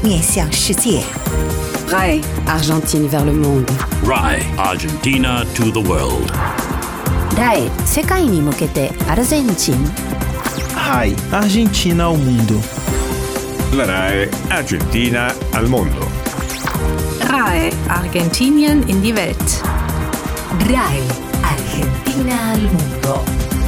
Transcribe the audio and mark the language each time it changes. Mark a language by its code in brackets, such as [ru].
[fr] RAE, Argentine vers le monde. [en] RAE, Argentina to the world. [ja] RAE, 世界に向けてアルゼンチン。 [es] RAE, Argentina al mundo. [it] RAE, Argentina al mondo. [de] RAE, Argentinian in die Welt. [es] RAE, Argentina al mundo.